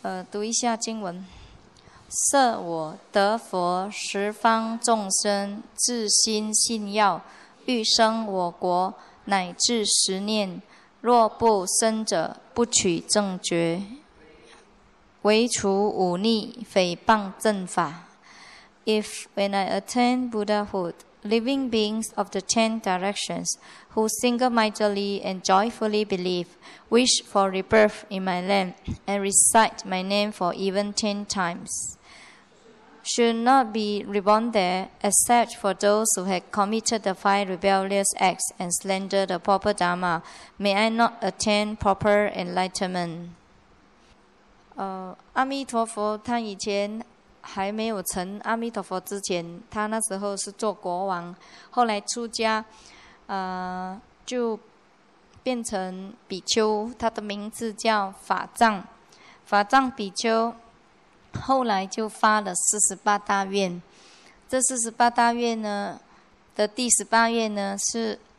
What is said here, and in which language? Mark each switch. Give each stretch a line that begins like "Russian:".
Chinese: 读一下经文：设我得佛十方众生至心信要，欲生我国，乃至十念，若不生者，不取正觉，唯除忤逆诽谤正法。
English: If, when I attain Buddhahood, living beings of the 10 directions, who single-mindedly and joyfully believe, wish for rebirth in my land, and recite my name for even 10 times, should not be reborn there, except for those who had committed the 5 rebellious acts and slandered the proper Dharma, may I not attain proper enlightenment?
Chinese: 阿弥陀佛，他以前还没有成阿弥陀佛之前，他那时候是做国王，后来出家，就变成比丘，他的名字叫法藏，法藏比丘，后来就发了48大愿，这48大愿呢的第18愿呢是